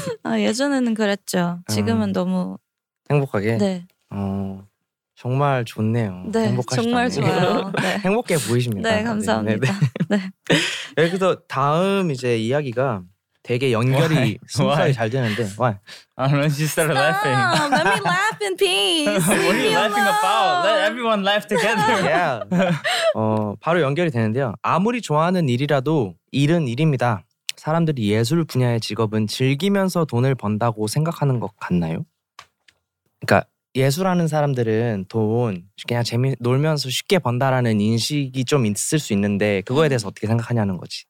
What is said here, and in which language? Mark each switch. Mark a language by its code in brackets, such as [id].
[ko] 아, 예전에는 그랬죠. 지금은 너무 행복하게. 네. 정말 좋네요. 네, 정말 좋아요. 네. 행복해 보이십니다. 네, 감사합니다. 네. 여기서 다음 이제 이야기가 되게 연결이 순수하게 잘 되는데. [en] Why? I don't know, she started laughing. Let me laugh in peace. What are you laughing about? Let everyone laugh together. [ko] Yeah. 바로 연결이 되는데요. 아무리 좋아하는 일이라도 일은 일입니다. 사람들이 예술 분야의 직업은 즐기면서 돈을 번다고 생각하는 것 같나요? 그러니까 예술하는 사람들은 돈 그냥 재미 놀면서 쉽게 번다라는 인식이 좀 있을 수 있는데 그거에 대해서 어떻게 생각하냐는 거지.